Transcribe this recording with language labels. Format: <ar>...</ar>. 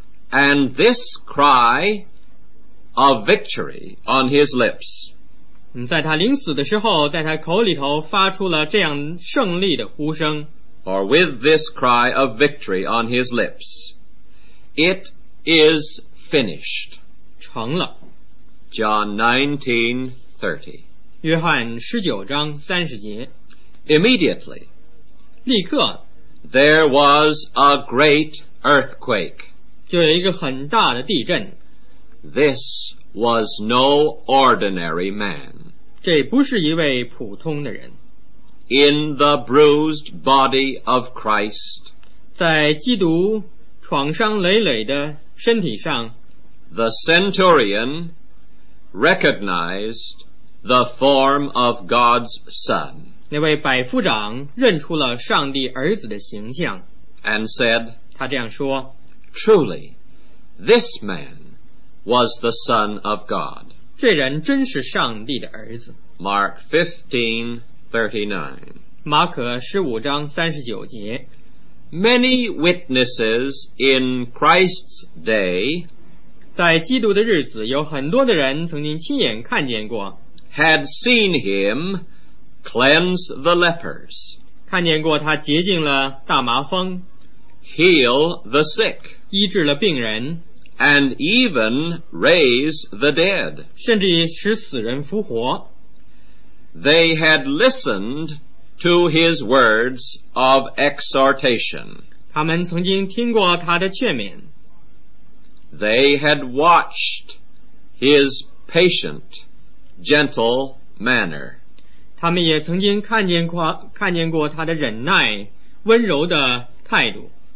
<en>And this cry of victory on his lips</en> <zh>在他临死的时候在他口里头发出了这样胜利的呼声</zh> <en>or with this cry of victory on his lips it is finished</en> <zh>成了。</zh> <en>John 19:30</en> <zh>约翰十九章三十节。</zh> <en>immediately</en> <zh>立刻</zh> <en>there was a great earthquake</en> <zh>就有一个很大的地震。</zh> <en>this was no ordinary man</en> <zh>这不是一位普通的人。</zh> <en>in the bruised body of Christ,</en> <zh>在基督创伤累累的身体上,</zh> <en>the centurion recognized the form of God's Son,</en> <zh>那位百夫长认出了上帝儿子的形象,</zh> <en>and said,</en> <zh>他这样说,</zh> <en>truly, this man was the Son of God.</en> <zh>这人真是上帝的儿子。</zh> <en>Mark 15:39,</en> <zh>马可十五章三十九节。</zh> <en>Many witnesses in Christ's day,</en> <zh>在基督的日子有很多的人曾经亲眼看见过,</zh> <en>had seen him cleanse the lepers,</en> <zh>看见过他洁净了大麻风,</zh> <en>heal the sick,</en> <zh>医治了病人,</zh> <en>and even raise the dead,</en> <zh>甚至使死人复活。</zh> <en>They had listened to his words of exhortation.</en> <zh>他们曾经听过他的劝勉。</zh> <en>They had watched his patient, gentle manner.</en> <zh>他们也曾经看见过他的忍耐、温柔的态度。</zh>